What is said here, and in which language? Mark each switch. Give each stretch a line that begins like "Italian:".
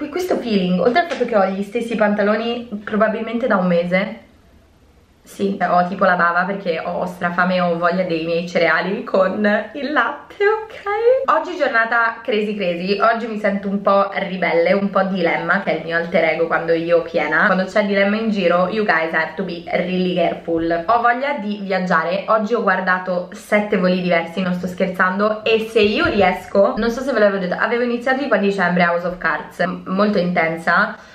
Italian: E questo feeling, oltre al fatto che ho gli stessi pantaloni probabilmente da un mese. Sì, ho tipo la bava perché ho strafame e ho voglia dei miei cereali con il latte, ok? Oggi giornata crazy crazy, oggi mi sento un po' ribelle, un po' dilemma, che è il mio alter ego quando io piena. Quando c'è dilemma in giro,
English: you guys have to be really careful.
Italian: Ho voglia di viaggiare, oggi ho guardato 7 voli diversi, non sto scherzando. E se io riesco, non so se ve l'avevo detto, avevo iniziato tipo a dicembre House of Cards, molto intensa.